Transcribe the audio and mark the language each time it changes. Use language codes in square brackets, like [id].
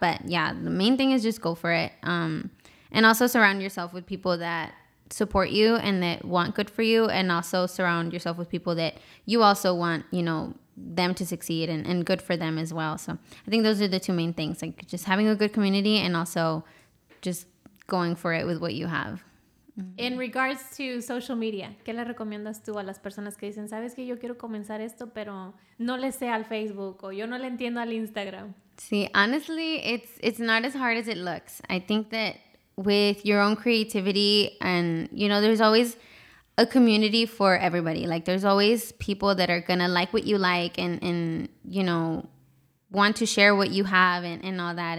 [en] But yeah, the main thing is just go for it. And also surround yourself with people that support you and that want good for you. And also surround yourself with people that you also want, you know, them to succeed and good for them as well. So I think those are the two main things, like just having a good community and also just going for it with what you have. In regards to social media, [es] ¿qué le recomiendas tú a las personas que dicen, sabes que yo quiero comenzar esto, pero no le sé al Facebook o yo no le entiendo al Instagram? [en] Sí, honestly, it's not as hard as it looks. I think that with your own creativity and, you know, there's always a community for everybody. Like, there's always people that are going to like what you like and, you know, want to share what you have and all that.